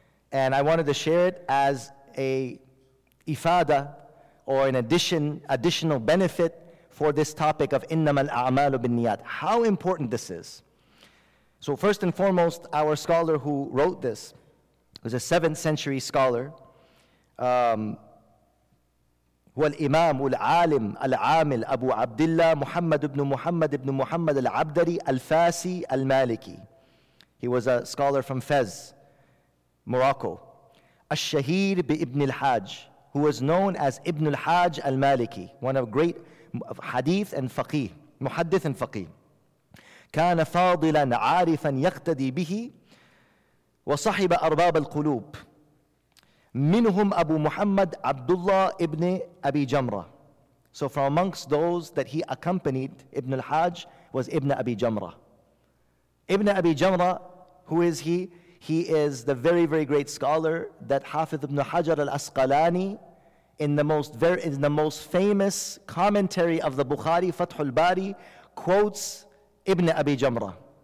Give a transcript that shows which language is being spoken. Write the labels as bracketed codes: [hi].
[en] And I wanted to share it as a ifada, or an additional benefit for this topic of innamal a'malu binniyat. How important this is. So first and foremost, our scholar who wrote this was a 7th century scholar. [ar] والإمام العالم العامل أبو عبد الله محمد بن محمد بن محمد العبدري الفاسي المالكي. [en] He was a scholar from Fez, Morocco. [ar] الشهير بابن الحاج, [en] who was known as Ibn al-Hajj al-Maliki, one of great hadith and faqih, muhaddith and faqih. [ar] كان فاضلا عارفا يقتدي به وصحب أرباب القلوب. منهم أبو محمد عبد الله ابن أبي جمرة. [en] So from amongst those that he accompanied, Ibn al-Hajj, was Ibn Abi Jamra. Ibn Abi Jamra, who is he? He is the very, very great scholar that Hafiz Ibn Hajar al-Asqalani, in the most famous commentary of the Bukhari, Fathul Bari, quotes Ibn Abi Jamra.